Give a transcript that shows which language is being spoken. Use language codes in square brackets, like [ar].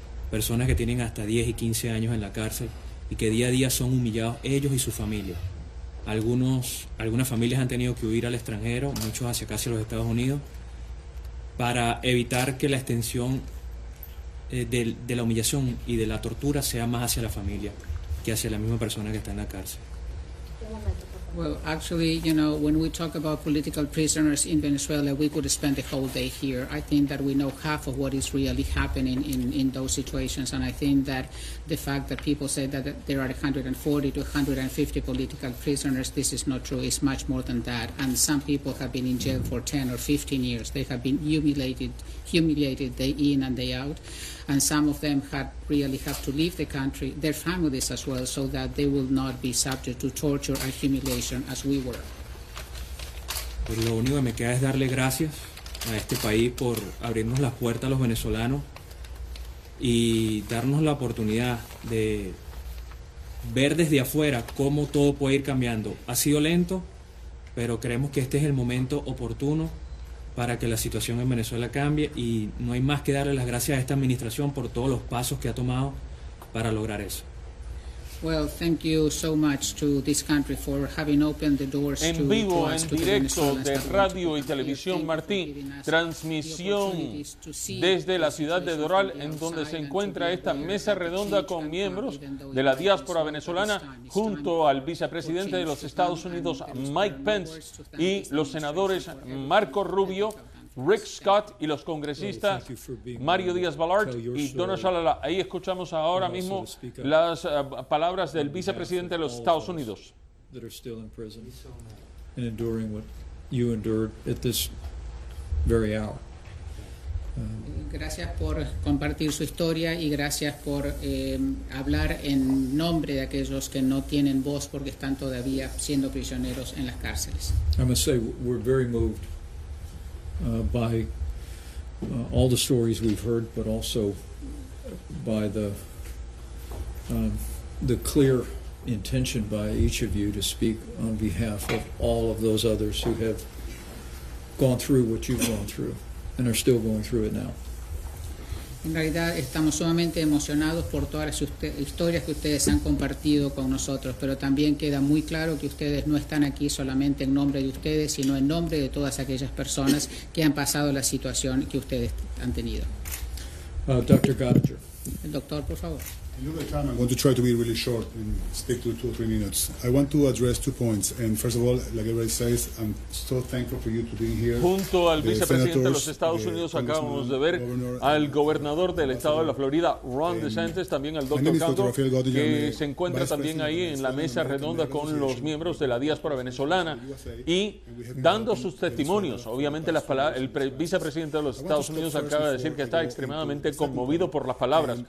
[es] Personas que tienen hasta 10 y 15 años en la cárcel y que día a día son humillados ellos y su familia. Algunas familias han tenido que huir al extranjero, muchos hacia casi los Estados Unidos, para evitar que la extensión de la humillación y de la tortura sea más hacia la familia que hacia la misma persona que está en la cárcel. [en] Well, actually, you know, when we talk about political prisoners in Venezuela, we could spend the whole day here. I think that we know half of what is really happening in those situations. And I think that the fact that people say that there are 140 to 150 political prisoners, this is not true. It's much more than that. And some people have been in jail for 10 or 15 years. They have been humiliated day in and day out. And some of them have to leave the country, their families as well, so that they will not be subject to torture and humiliation as we were. [es] Pues lo único que me queda es darle gracias a este país por abrirnos las puertas a los venezolanos y darnos la oportunidad de ver desde afuera cómo todo puede ir cambiando. Ha sido lento, pero creemos que este es el momento oportuno para que la situación en Venezuela cambie y no hay más que darle las gracias a esta administración por todos los pasos que ha tomado para lograr eso. [en] Well, thank you so much to this country for having opened the doors [es] en [en] to, [es] vivo, [en] to us [es] en [en] to [es] directo Venezuela de Radio y Televisión Martí, transmisión desde la ciudad de Doral, en donde se encuentra esta mesa redonda con miembros de la diáspora venezolana, junto al vicepresidente de los Estados Unidos, Mike Pence, y los senadores Marco Rubio, Rick Scott y los congresistas Mario Díaz-Balart y Donna Shalala. Ahí escuchamos ahora mismo las palabras del vicepresidente de los Estados Unidos. [en] That are still in prison and enduring what you endured at this very hour. [es] Gracias por compartir su historia y gracias por hablar en nombre de aquellos que no tienen voz porque están todavía siendo prisioneros en las cárceles. [en] I must say we're very moved by all the stories we've heard, but also by the clear intention by each of you to speak on behalf of all of those others who have gone through what you've gone through and are still going through it now. [es] En realidad estamos sumamente emocionados por todas las historias que ustedes han compartido con nosotros, pero también queda muy claro que ustedes no están aquí solamente en nombre de ustedes, sino en nombre de todas aquellas personas que han pasado la situación que ustedes han tenido. [en] Dr. Gottinger. [es] El doctor, por favor. [en] In the time, I'm going to try to be really short and stick to 2 or 3 minutes. I want to address 2 points. And first of all, like everybody says, I'm so thankful for you to be here. [es] Junto al vicepresidente de los Estados Unidos, acabamos de ver al gobernador del estado de la Florida, Ron DeSantis, también al doctor Campo, que se encuentra también ahí en la mesa redonda con los miembros de la diáspora venezolana y dando sus testimonios. Obviamente, el vicepresidente de los Estados Unidos acaba de decir que está extremadamente conmovido por las palabras.